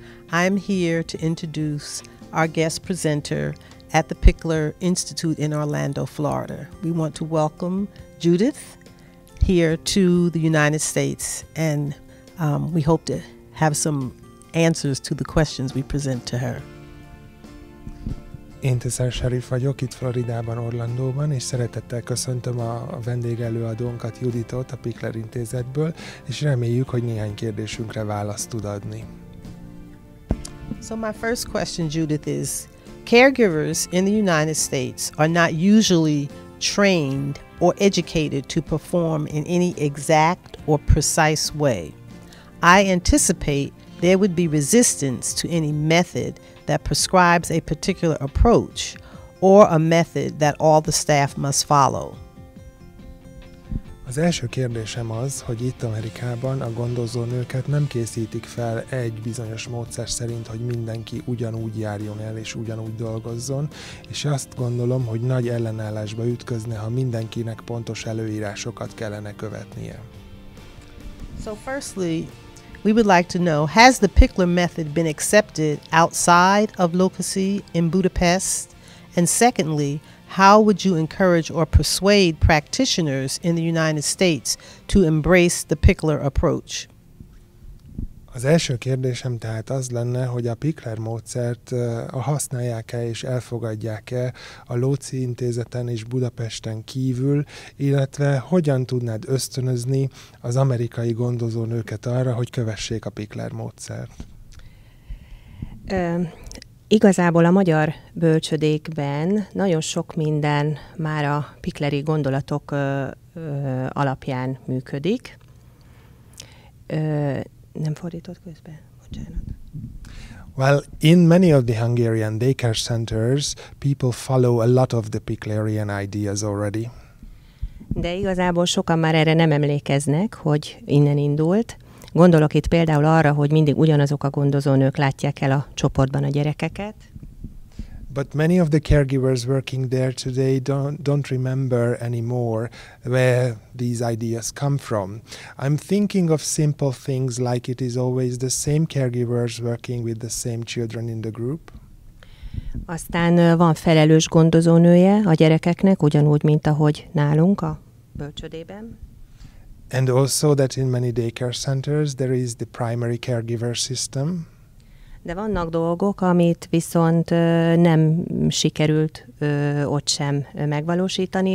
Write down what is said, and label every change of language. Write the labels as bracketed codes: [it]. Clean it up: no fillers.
[en] I am here to introduce our guest presenter at the Pikler Institute in Orlando, Florida. We want to welcome Judith here to the United States, and we hope to have some answers to the questions we present to her. [hu] Intisar Shareef vagyok itt Floridában, Orlandóban, és szeretettel köszöntöm a vendégelőadónkat, Juditot, a Pikler Intézetből, és reméljük, hogy néhány kérdésünkre választ tud adni. [en] So my first question, Judith, is caregivers in the United States are not usually trained or educated to perform in any exact or precise way. I anticipate there would be resistance to any method that prescribes a particular approach or a method that all the staff must follow. [hu] Az első kérdésem az, hogy itt Amerikában a gondozó nőket nem készítik fel egy bizonyos módszer szerint, hogy mindenki ugyanúgy járjon el és ugyanúgy dolgozzon, és azt gondolom, hogy nagy ellenállásba ütközne, ha mindenkinek pontos előírásokat kellene követnie. [en] So firstly, we would like to know, has the Pikler method been accepted outside of Lokasi in Budapest? And secondly, how would you encourage or persuade practitioners in the United States to embrace the Pikler approach? [hu] Az első kérdésem tehát az lenne, hogy a Pikler módszert használják-e és elfogadják-e a Lóci intézeten és Budapesten kívül, illetve hogyan tudnád ösztönözni az amerikai gondozónőket arra, hogy kövessék a Pikler módszert? Igazából a magyar bölcsödékben nagyon sok minden már a pikleri gondolatok alapján működik. Nem fordított közben, bocsánat. [en] Well, in many of the Hungarian daycare centers, people follow a lot of the Piklerian ideas already. [hu] De igazából sokan már erre nem emlékeznek, hogy innen indult. Gondolok itt például arra, hogy mindig ugyanazok a gondozónők látják el a csoportban a gyerekeket. [en] But many of the caregivers working there today don't remember anymore where these ideas come from. I'm thinking of simple things like it is always the same caregivers working with the same children in the group. [hu] Aztán van felelős gondozónője a gyerekeknek, ugyanúgy, mint ahogy nálunk a bölcsödében. [en] And also that in many daycare centers there is the primary caregiver system. [hu] De vannak dolgok, amit viszont nem sikerült ott sem megvalósítani.